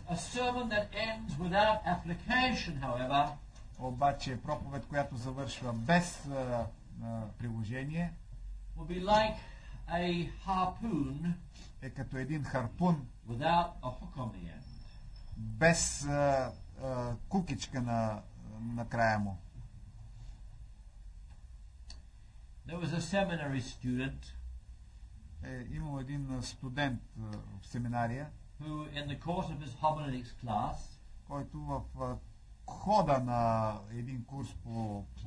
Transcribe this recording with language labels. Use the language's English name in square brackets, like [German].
[English] A sermon that ends without application, however, [Bulgarian] обаче проповед, която завършва без приложение, [English] will be like a harpoon, [Bulgarian] е като един харпун [English] without a hook on the end, [Bulgarian] без кукичка на края му. [English] There was a seminary student, [Bulgarian] имал един студент в семинария, [English] who in the course of his homiletics class, [Bulgarian] който в хода на един курс по